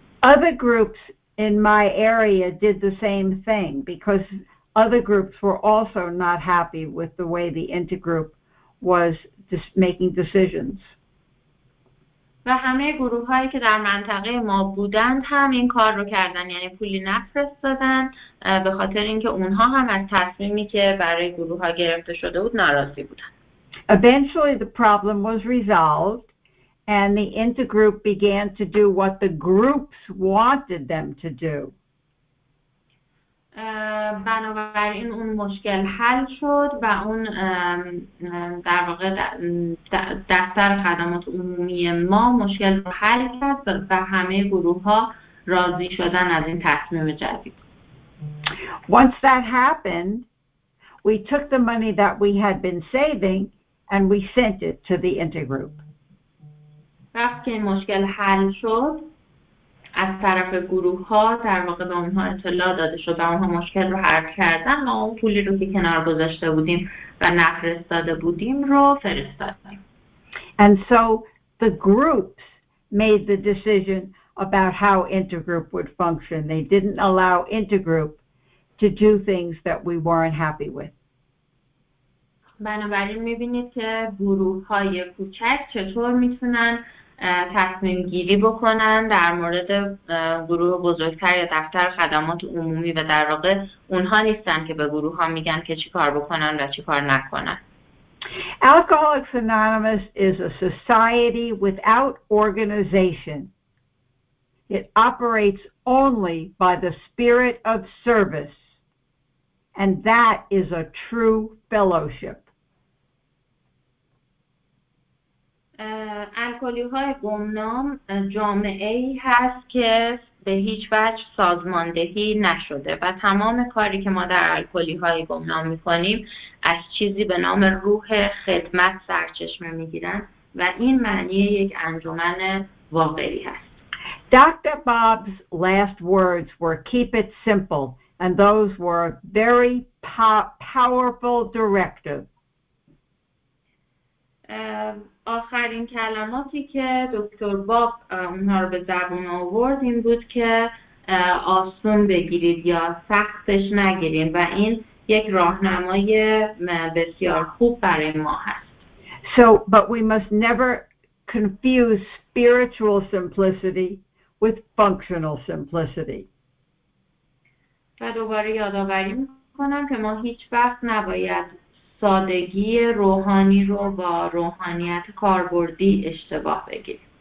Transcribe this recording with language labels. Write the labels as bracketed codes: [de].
[en] Other groups in my area did the same thing because other groups were also not happy with the way the intergroup was making decisions. [fa] و همه گروه هایی که در منطقه ما بودند هم این کار رو کردن، یعنی پولی نفرستادن به خاطر اینکه اونها هم از تصمیمی که برای گروه ها گرفته شده بود ناراضی بودن. [en] Eventually the problem was resolved and the intergroup began to do what the groups wanted them to do. [fa] بنابراین اون مشکل حل شد و اون در واقع دفتر خدمات عمومی ما مشکل رو حل کرد و همه گروه ها راضی شدن از این تصمیم جدید. [en] Once that happened, we took the money that we had been saving and we sent it to the intergroup. [fa] وقتی این مشکل حل شد از طرف گروه ها در واقع به اونها اطلاع داده شد و اونها مشکل رو حل کردن و اون پولی رو که کنار گذاشته بودیم و نفرستاده بودیم رو فرستادیم. [en] And so the groups made the decision about how intergroup would function. They didn't allow intergroup to do things that we weren't happy with. [fa] بنابراین میبینید که گروه های کوچک چطور میتونن تصمیم گیری بکنن در مورد گروه بزرگتر یا دفتر خدمات عمومی و در واقع اونها نیستن که به گروه ها میگن که چی کار بکنن و چی کار نکنن. [en] Alcoholics Anonymous is a society without organization. It operates only by the spirit of service. And that is a true fellowship. [fa] الکلی‌های گمنام جامعه‌ای هست که به هیچ وجه سازماندهی نشده و تمام کاری که ما در الکلی‌های گمنام می‌کنیم از چیزی به نام روح خدمت سرچشمه می‌گیرند و این معنی یک انجمن واقعی هست. [en] Dr. Bob's last words were keep it simple and those were very powerful directives. [fa] آخرین کلماتی که دکتر باب اونها رو به زبون آورد این بود که آسون بگیرید یا سختش نگیرید و این یک راهنمای بسیار خوب برای ما هست. [en] So, but we must never confuse spiritual simplicity with functional simplicity. [fa] و دوباره یادآوری می‌کنم که ما هیچ وقت نباید سادگی روحانی رو با روحانیت کاربردی اشتباه بگیریم.